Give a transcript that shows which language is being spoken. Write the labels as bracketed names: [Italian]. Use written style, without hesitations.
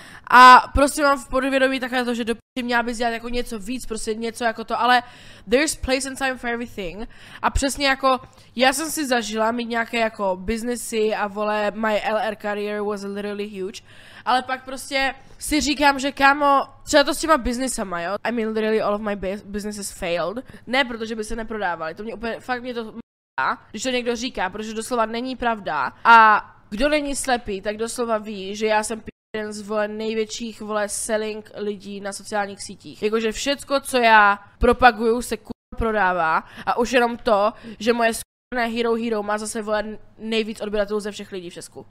[Czech] A prostě mám v podvědomí takhle to, že dopíči měla bys dělat jako něco víc, prostě něco jako to, ale [English] there's place and time for everything. [Czech] A přesně jako, já jsem si zažila mít nějaké jako businessy a vole, [English] my LR career was literally huge. [Czech] Ale pak prostě si říkám, že kámo, třeba to s těma businessama, jo? [English] I mean literally all of my businesses failed. [Czech] Ne, protože by se neprodávali, to mě úplně, fakt mě to... Když to někdo říká, protože doslova není pravda a kdo není slepý, tak doslova ví, že já jsem jeden z vole největších vole selling lidí na sociálních sítích. Jakože všecko, co já propaguju, se kurva prodává a už jenom to, že moje skurvené Hero má zase vole nejvíc odběratelů ze všech lidí v Česku.